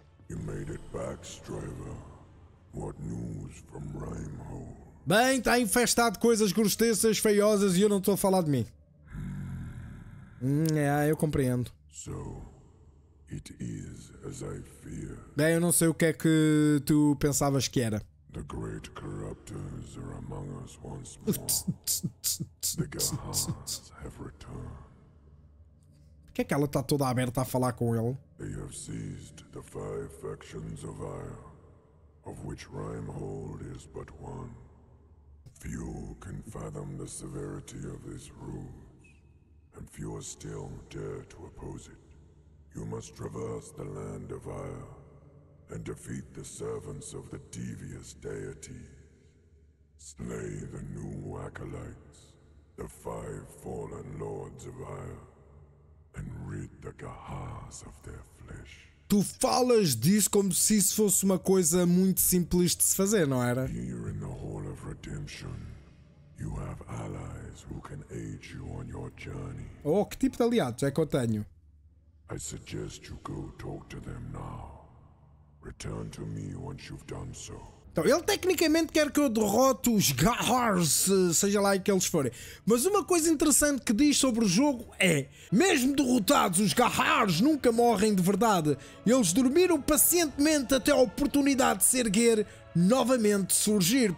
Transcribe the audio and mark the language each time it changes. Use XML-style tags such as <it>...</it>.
<en>You made it back, Striver. What news from Rheimhold?</en> <pt>Bem, está infestado de coisas grosteças, feiosas e eu não estou a falar de mim. Eu compreendo.</pt> <en>So, it is as I fear.</en> <pt>Bem, eu não sei o que é que tu pensavas que era.</pt> <en>The great corruptors are among us once more. The Gahans have returned.</en> <pt>Por que é que ela está toda aberta a falar com ele?</pt> <en>They have seized the five factions of Ire. Of which Rheimhold is but one. Few can fathom the severity of this ruse, and fewer still dare to oppose it. You must traverse the land of Ire, and defeat the servants of the devious deities. Slay the new acolytes, the five fallen lords of Ire, and rid the Gahars of their flesh.</en> <pt>Tu falas disso como se isso fosse uma coisa muito simples de se fazer, não era?</pt> <en>Here in the Hall of Redemption, you have allies who can aid you on your journey.</en> <pt>Oh, que tipo de aliados é que eu tenho?</pt> <en>I suggest you go talk to them now. Return to me once you've done so.</en> <pt>Então, ele tecnicamente quer que eu derrote os Gahars, seja lá que eles forem. Mas uma coisa interessante que diz sobre o jogo é... Mesmo derrotados, os Gahars nunca morrem de verdade. Eles dormiram pacientemente até a oportunidade de se erguer novamente surgir.</pt>